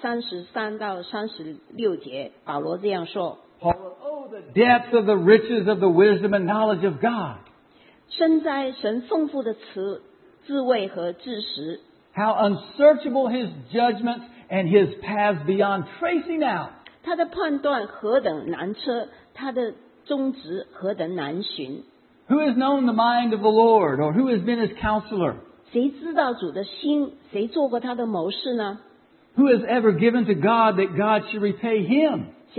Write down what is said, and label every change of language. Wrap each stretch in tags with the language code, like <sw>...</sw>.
<zh>在罗马书11章33到36节, 保罗这样说,</zh> <en>Paul, oh, the depth of the riches of the wisdom and knowledge of God.</en> <zh>身在神丰富的慈,智慧和知识,</zh> <en>how unsearchable his judgments and his paths beyond tracing out.</en> <zh>他的判断何等难测,他的宗旨何等难寻,</zh> <en>who has known the mind of the Lord, or who has been his counselor?</en> <zh>谁知道主的心,</zh> <en>who has ever given to God that God should repay him?</en>